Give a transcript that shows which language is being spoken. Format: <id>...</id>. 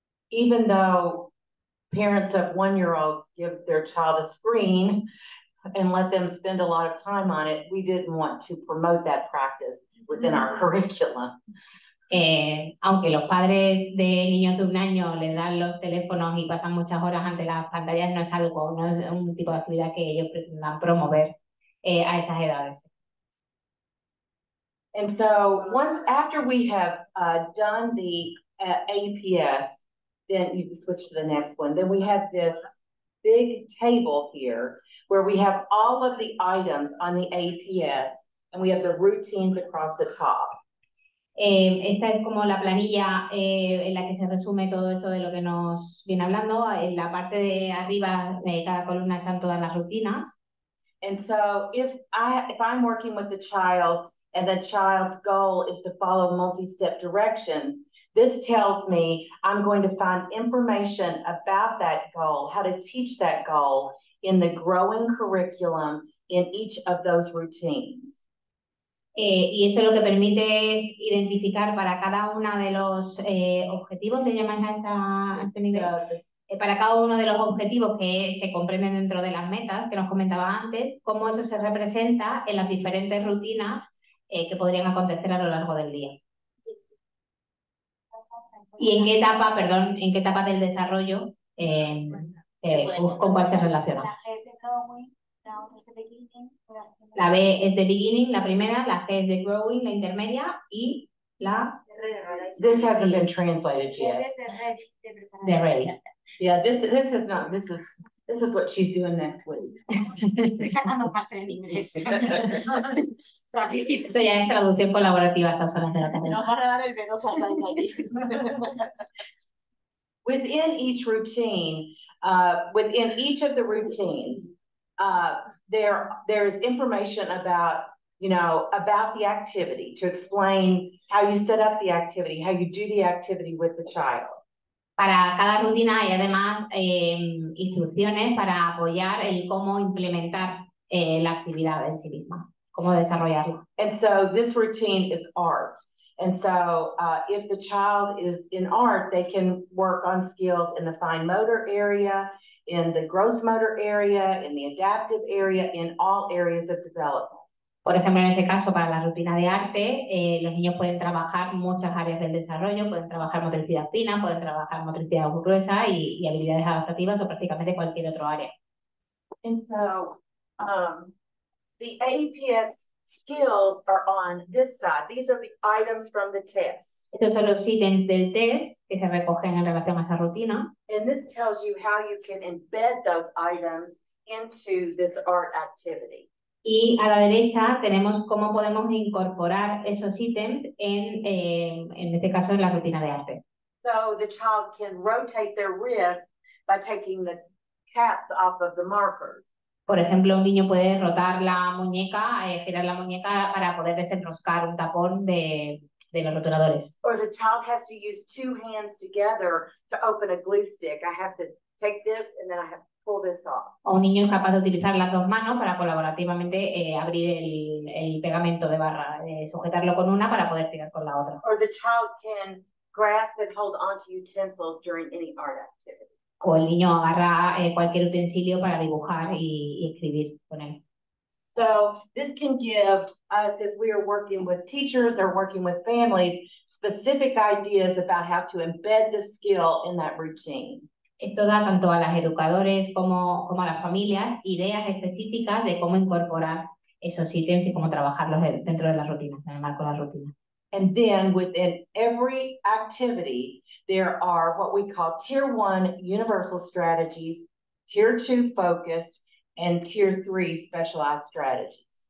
<en>Even though parents of one-year-olds give their child a screen and let them spend a lot of time on it, we didn't want to promote that practice within our curriculum.</en> <es>Aunque los padres de niños de un año les dan los teléfonos y pasan muchas horas ante las pantallas, no es un tipo de actividad que ellos pretendan promover a esas edades.</es> <en>And so once after we have done the APS, then you can switch to the next one. Then we have this big table here where we have all of the items on the APS and we have the routines across the top.</en> <es>Esta es como la planilla en la que se resume todo esto de lo que nos viene hablando. En la parte de arriba de cada columna están todas las rutinas.</es> <en>And so if I'm working with the child and the child's goal is to follow multi-step directions, this tells me I'm going to find information about that goal, how to teach that goal in the growing curriculum in each of those routines.</en> <es>Y eso lo que permite es identificar para cada uno de los objetivos, ¿le llamáis a este nivel? Para cada uno de los objetivos que se comprenden dentro de las metas que nos comentaba antes, cómo eso se representa en las diferentes rutinas que podrían acontecer a lo largo del día. ¿Y en qué etapa, perdón, en qué etapa del desarrollo, con cuál se relaciona? La G es de growing, la otra es de beginning. La B es de beginning, la primera, la G es de growing, la intermedia, y la...</es> <en>This hasn't been translated yet.</en> <es>De ready.</es> <en>Yeah, this is what she's doing next week.</en> <es>Estoy sacando un pastel en inglés. Esto ya es traducción colaborativa a estas horas de la tarde. Nos van a dar el B2 al salir allí.</es> <en>Within each routine, within each of the routines, there is information about, you know, about the activity to explain how you set up the activity, how you do the activity with the child.</en> <es>Para cada rutina hay además instrucciones para apoyar el cómo implementar la actividad en sí misma, cómo desarrollarla.</es> <en>And so this routine is art. And so if the child is in art, they can work on skills in the fine motor area, in the gross motor area, in the adaptive area, in all areas of development.</en> <es>Por ejemplo, en este caso, para la rutina de arte, los niños pueden trabajar muchas áreas del desarrollo, pueden trabajar motricidad fina, pueden trabajar motricidad gruesa y habilidades adaptativas o prácticamente cualquier otro área.</es> <en>And so, the AEPS skills are on this side. These are the items from the test.</en> <es>Estos son los ítems del test que se recogen en relación a esa rutina.</es> <en>And this tells you how you can embed those items into this art activity.</en> <es>Y a la derecha tenemos cómo podemos incorporar esos ítems en este caso en la rutina de arte.</es> <en>So the child can rotate their wrist by taking the caps off of the markers.</en> <es>Por ejemplo, un niño puede rotar la muñeca, girar la muñeca para poder desenroscar un tapón de los rotuladores.</es> <en>Or the child has to use two hands together to open a glue stick. I have to take this and then I have to pull this off.</en> <es>O un niño es capaz de utilizar las dos manos para colaborativamente abrir el pegamento de barra, sujetarlo con una para poder tirar con la otra.</es> <en>Or the child can grasp and hold onto utensils during any art activity.</en> <es>O el niño agarra cualquier utensilio para dibujar y escribir con él.</es> <en>So this can give us, as we are working with teachers or working with families, specific ideas about how to embed the skill in that routine.</en> <es>Esto da tanto a las educadores como a las familias ideas específicas de cómo incorporar esos ítems y cómo trabajarlos dentro de las rutinas, en el marco de las rutinas.</es> <en>And then within every activity, there are what we call tier one universal strategies, tier two focused, and tier three specialized strategies.</en>